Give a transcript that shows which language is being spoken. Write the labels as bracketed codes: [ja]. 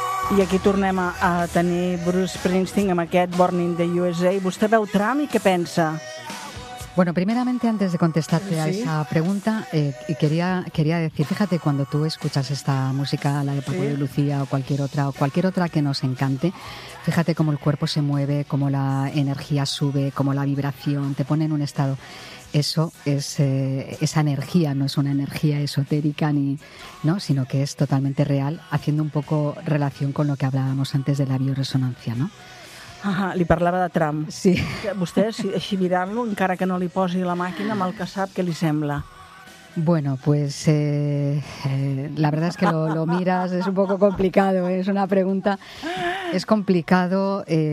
[ca] I aquí tornem a tenir Bruce Springsteen amb aquest Born in the USA. Vostè veu Trump i què pensa? [es] Bueno, primeramente, antes de contestarte a esa pregunta, quería decir, fíjate, cuando tú escuchas esta música, la de Paco de Lucía o cualquier otra que nos encante, fíjate cómo el cuerpo se mueve, cómo la energía sube, cómo la vibración te pone en un estado... Eso es esa energía, no es una energía esotérica ni, ¿no?, sino que es totalmente real, haciendo un poco relación con lo que hablábamos antes de la bioresonancia, ¿no? [ca] Ah, li parlava de Trump. Sí. Vostè, així mirant-lo, encara que no li posi la màquina, amb el que sap, què li sembla? [es] Bueno, pues la verdad es que lo miras, es un poco complicado, ¿eh? Es una pregunta, es complicado.